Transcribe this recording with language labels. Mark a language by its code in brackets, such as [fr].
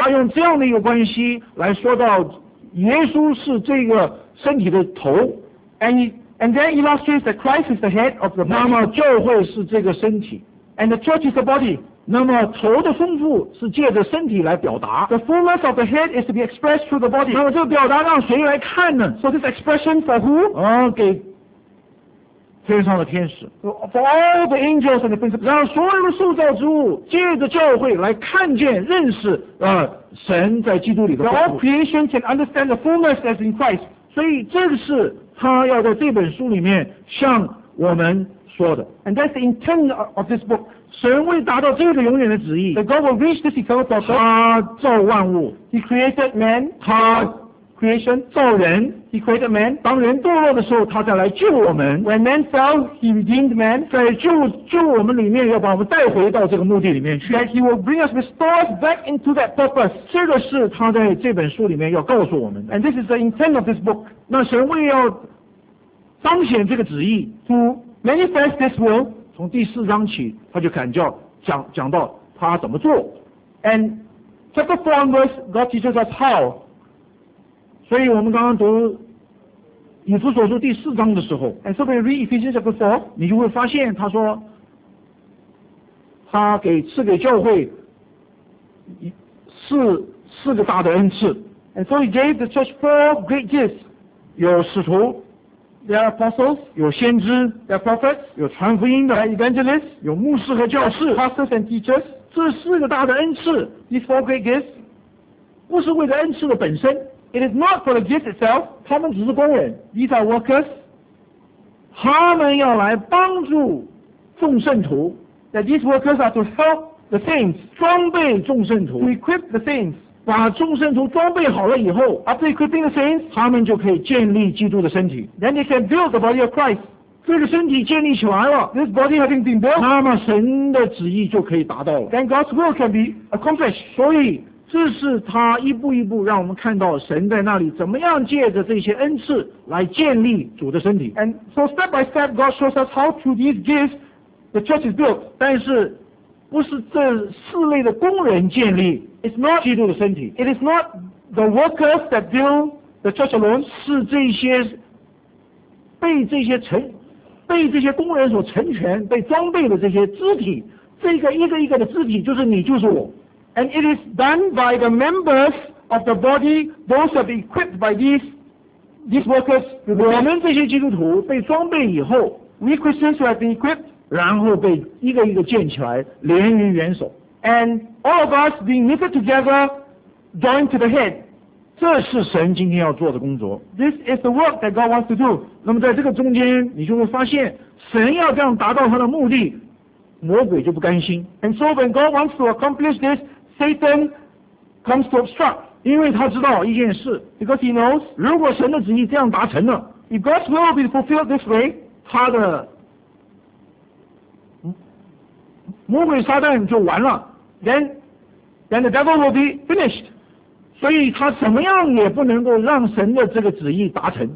[zh] 他用这样的一个关系来说到耶稣是这个身体的头 [en] and then illustrates that Christ is the head of the body. [zh] 那么教会是这个身体 [en] and the church is the body. [zh] 那么头的丰富是借着身体来表达 [en] The fullness of the head is to be expressed through the body [zh] 那么这个表达让谁来看呢 [en] So this expression for who?、 [zh] 哦、给天上的天使 [en] For all the angels and the principles [zh] 让所有的受造之物借着教会来看见认识、神在基督里的丰富 [en] All creation can understand the fullness that's in Christ [zh] 所以这是他要在这本书里面向我们说的 [en] And that's the intent of this book [zh] 神为达到这个永远的旨意 [en] The God will reach this eternal purpose [zh] 他造万物 [en] He created man [zh] 他 [en] creation [zh] 造人 [en] He created man [zh] 当人堕落的时候他再来救我们 [en] When man fell he redeemed man [zh] 在 救我们里面要把我们带回到这个目的里面去 [en] That he will bring us restored back into that purpose [zh] 这个是他在这本书里面要告诉我们的 [en] And this is the intent of this book [zh] 那神为要彰显这个旨意 [en] To manifest this will [zh] 从第四章起他就感觉 讲到他怎么做 [en] and chapter 4 onwards God teaches us how [zh] 所以我们刚刚读以弗所书第四章的时候 [en] and so we read Ephesians chapter 4 [zh] 你就会发现他说他给赐给教会四个大的恩赐 [en] and so he gave the church four great gifts [zh] 有使徒 [en] There are apostles, [zh] 有先知 [en] there are prophets, [zh] 有传福音的 [en] there are evangelists, [zh] 有牧师和教士 [en] pastors and teachers, [zh] 这四个大的恩赐 [en] these four great gifts, [zh] 不是为了恩赐的本身 [en] it is not for the gift itself, [zh] 他们只是工人 [en] these are workers, [zh] 他们要来帮助众圣徒 [en] that these workers are to help the saints, [zh] 装备众圣徒 [en] to equip the saints, [zh] 把众圣徒装备好了以后 [en] After equipping the saints [zh] 他们就可以建立基督的身体 [en] Then they can build the body of Christ [zh] 这个身体建立起来了 [en] This body having been built [zh] 那么神的旨意就可以达到了 [en] Then God's will can be accomplished [zh] 所以这是他一步一步让我们看到神在那里怎么样借着这些恩赐来建立主的身体 [en] And so step by step God shows us how through these gifts the church is built [zh] 但是不是这四类的工人建立 [en] It's not, [zh] 基督的身体 [en] It is not the workers that build the church alone [zh] 是这些被这些工人所成全被装备的这些肢体这个一个一个的肢体就是你就是我 [en] And it is done by the members of the body those have been equipped by these workers [zh] 我们这些基督徒被装备以后 [en] We Christians who have been equipped [zh] 然后被一个一个建起来连于元首 [en] And all of us being knitted together, joined to the head. [zh] 这是神今天要做的工作。 [en] This is the work that God wants to do. [zh] 那么在这个中间，你就会发现，神要这样达到他的目的，魔鬼就不甘心。 [en] And so when God wants to accomplish this, Satan comes to obstruct. [zh] 因为他知道一件事。 [en] Because he knows, [zh] 如果神的旨意这样达成了 [en] ，If God's will be fulfilled this way, [zh] 他的魔鬼撒旦就完了 [en] then the devil will be finished [zh] 所以他怎么样也不能够让神的这个旨意达成